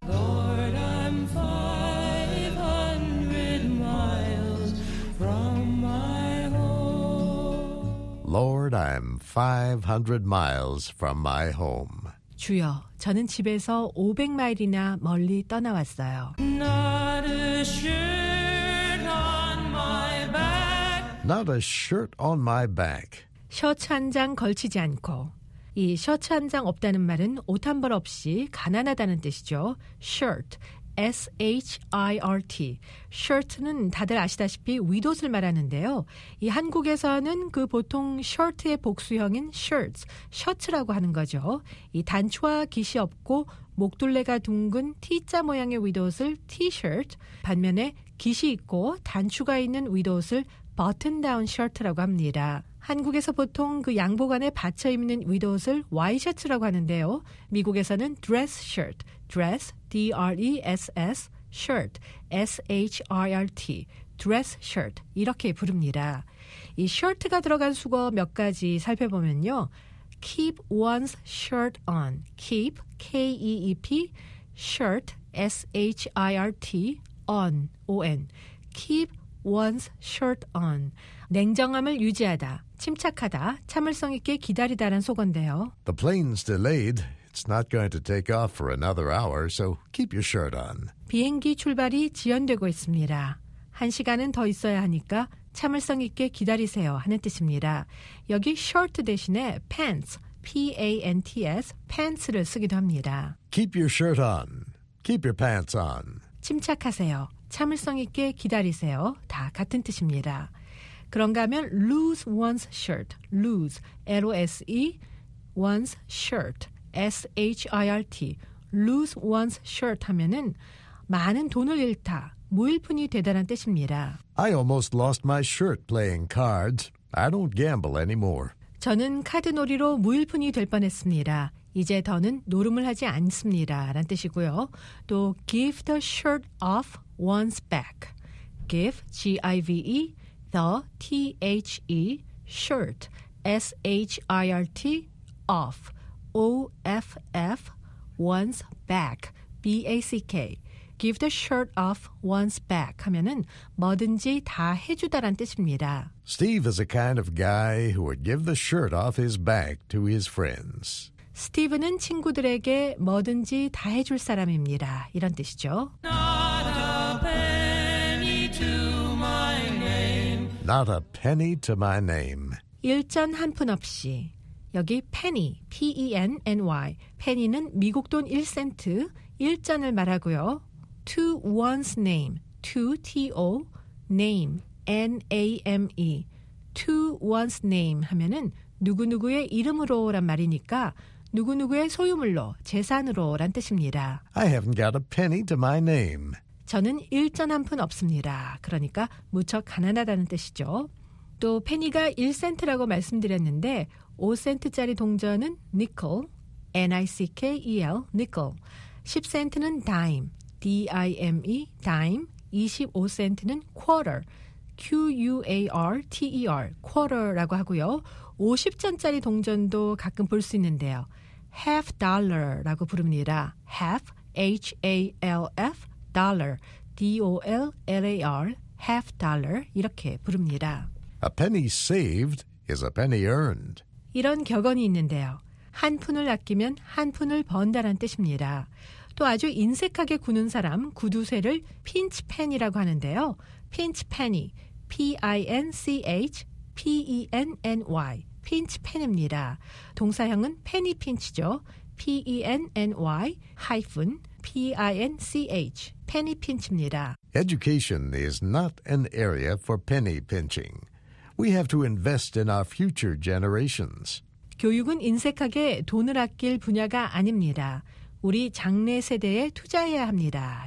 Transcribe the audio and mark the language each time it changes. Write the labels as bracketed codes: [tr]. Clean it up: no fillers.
[en] Lord, I'm 500 miles from my home. Lord, I'm 500 miles from my home. [ko] 주여, 저는 집에서 500 마일이나 멀리 떠나왔어요. [en] Not a shirt on my back. Not a shirt on my back. [ko] 셔츠 한 장 걸치지 않고. 이 셔츠 한 장 없다는 말은 옷 한 벌 없이 가난하다는 뜻이죠. Shirt, [en] SHIRT. [ko] Shirt는 다들 아시다시피 윗옷을 말하는데요. 이 한국에서는 그 보통 shirt의 복수형인 shirts, 셔츠라고 하는 거죠. 이 단추와 깃이 없고 목둘레가 둥근 T자 모양의 윗옷을 T-shirt, 반면에 깃이 있고 단추가 있는 윗옷을 button-down shirt라고 합니다. 한국에서 보통 그 양복 안에 받쳐 입는 윗옷을 와이셔츠라고 하는데요. 미국에서는 [en] dress shirt, dress, D-R-E-S-S, shirt, S-H-I-R-T, dress shirt [ko] 이렇게 부릅니다. 이 shirt가 들어간 수거 몇 가지 살펴보면요. [en] Keep one's shirt on, keep, K-E-E-P, shirt, S-H-I-R-T, on, O-N, keep one's shirt on, [ko] 냉정함을 유지하다. 침착하다, 참을성 있게 기다리다란 속어인데요. [en] The plane's delayed. It's not going to take off for another hour, so keep your shirt on. [ko] 비행기 출발이 지연되고 있습니다. 한 시간은 더 있어야 하니까 참을성 있게 기다리세요 하는 뜻입니다. 여기 shirt 대신에 pants, P-A-N-T-S, pants를 쓰기도 합니다. [en] Keep your shirt on. Keep your pants on. [ko] 침착하세요, 참을성 있게 기다리세요. 다 같은 뜻입니다. 그런가 하면 [en] lose one's shirt, lose, L-O-S-E, one's shirt, [ko] S-H-I-R-T, lose one's shirt 하면은 많은 돈을 잃다, 모일푼이 되다란 뜻입니다. [en] I almost lost my shirt playing cards. I don't gamble anymore. [ko] 저는 카드놀이로 모일푼이 될 뻔했습니다. 이제 더는 노름을 하지 않습니다. 라는 뜻이고요. [en] 또 give the shirt off one's back. Give, G-I-V-E. The, T-H-E, shirt, S-H-I-R-T, off, O-F-F, one's back, B-A-C-K. Give the shirt off one's back [ko] 하면은 뭐든지 다 해주다란 뜻입니다. [en] Steve is a kind of guy who would give the shirt off his back to his friends. [ko] 스티브는 친구들에게 뭐든지 다 해줄 사람입니다. 이런 뜻이죠. [en] Not a penny to my name. [ko] 일전 한 푼 없이. 여기 penny, P-E-N-N-Y. penny는 미국 돈 1센트, 일전을 말하고요. [en] To one's name, to, T-O, name, N-A-M-E. To one's name [ko] 하면은 누구누구의 이름으로란 말이니까 누구누구의 소유물로, 재산으로란 뜻입니다. [en] I haven't got a penny to my name. [ko] 저는 일전 한 푼 없습니다. 그러니까 무척 가난하다는 뜻이죠. 또 페니가 1센트라고 말씀드렸는데 5센트짜리 동전은 nickel, N-I-C-K-E-L, nickel. 10센트는 dime, D-I-M-E, dime. 25센트는 quarter, Q-U-A-R-T-E-R, quarter라고 하고요. 50전짜리 동전도 가끔 볼 수 있는데요. half dollar라고 부릅니다. [en] half, H-A-L-F, dollar, D-O-L-L-A-R, half dollar, [ko] 이렇게 부릅니다. A penny saved is a penny earned. 이런 격언이 있는데요. 한 푼을 아끼면 한 푼을 번다란 뜻입니다. 또 아주 인색하게 구는 사람, 구두쇠를 pinch penny라고 하는데요. [en] pinch penny, P-I-N-C-H, P-E-N-N-Y, pinch penny입니다. [ko] 동사형은 penny pinch죠. [en] P-E-N-N-Y, hyphen, P-I-N-C-H, penny pinch입니다. Education is not an area for penny pinching. We have to invest in our future generations. [ko] 교육은 인색하게 돈을 아낄 분야가 아닙니다. 우리 장래 세대에 투자해야 합니다.